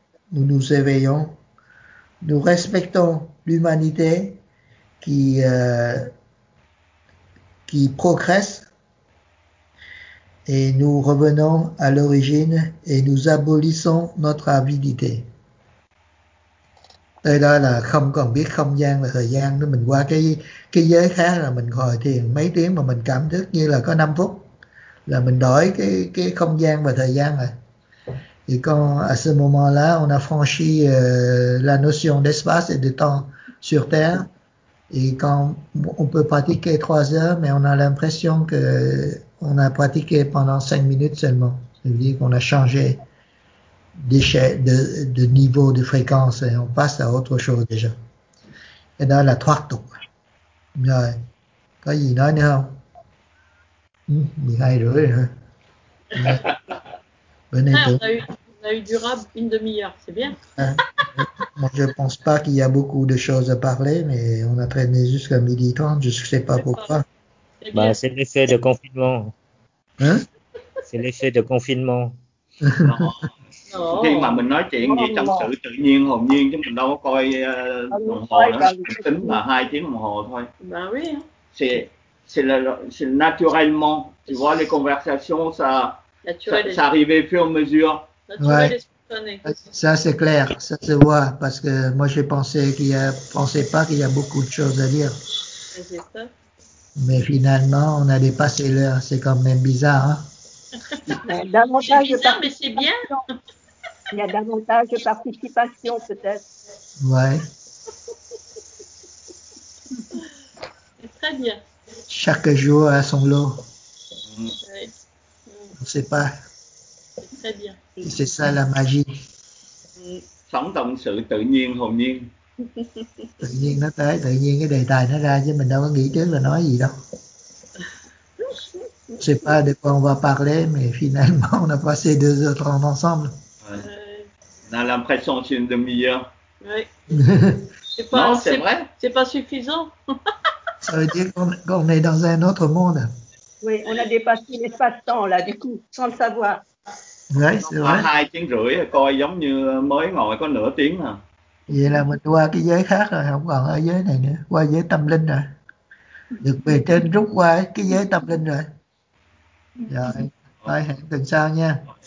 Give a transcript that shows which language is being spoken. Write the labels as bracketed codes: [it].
[fr] Nous nous éveillons. Nous respectons l'humanité qui progresse. Et nous revenons à l'origine et nous abolissons notre avidité. [vi] Đây đó là không còn biết không gian và thời gian nữa. Mình qua cái giới khác là mình ngồi thiền mấy tiếng mà mình cảm thức như là có 5 phút. Là mình đổi cái không gian và thời gian rồi. Thì còn [fr] à ce moment-là, on a franchi la notion d'espace et de temps sur Terre. Et quand on peut pratiquer 3 heures, mais on a l'impression que on a pratiqué pendant 5 minutes seulement. C'est-à-dire qu'on a changé de niveau de fréquence et on passe à autre chose déjà. Et dans la trois tours. [vi] Rồi. Có gì nói nữa không? 12h30 rồi. [fr] Bon ah, on a eu du rap une demi-heure, c'est bien. Moi, je ne pense pas qu'il y a beaucoup de choses à parler, mais on a traîné jusqu'à 12h30, je ne sais pas pourquoi. Bah, c'est l'effet de confinement. Hein? C'est l'effet de confinement. [vi] Khi mà mình nói chuyện gì tâm sự tự nhiên hồn nhiên chứ mình đâu có coi đồng hồ nó tính là 2 tiếng đồng hồ thôi. [fr] Bah oui. C'est naturellement, tu vois les conversations ça arrivait fur et à mesure. Ouais. Ça c'est clair, ça se voit parce que moi j'ai pensé pas qu'il y a beaucoup de choses à dire. C'est ça. Mais finalement, on a dépassé l'heure. C'est quand même bizarre. Hein? C'est bizarre, mais c'est bien. Il y a davantage de participation, peut-être. Oui. Très bien. Chaque jour a son lot. Ouais. On ne sait pas. Très bien. Et c'est ça la magie. [vi] Sống tâm sự tự nhiên, hồn nhiên. Tự nhiên nó tới, tự nhiên cái đề tài nó ra chứ mình đâu có nghĩ trước là nói gì đâu. [fr] C'est pas de quoi on va parler, mais finalement on a passé 2h30 ensemble. On a l'impression que c'est une demi-heure. Oui. C'est pas, non, c'est vrai. C'est pas suffisant. Ça veut dire qu'on est dans un autre monde. Oui, on a dépassé l'espace-temps là, du coup, sans le savoir. Oui, c'est vrai. [vi] 2h30, coi giống như mới ngồi có nửa tiếng à. Vậy là mình qua cái giới khác rồi, không còn ở giới này nữa, qua giới tâm linh rồi. Được về trên rút qua cái giới tâm linh rồi. Rồi, thôi hẹn tuần sau nha.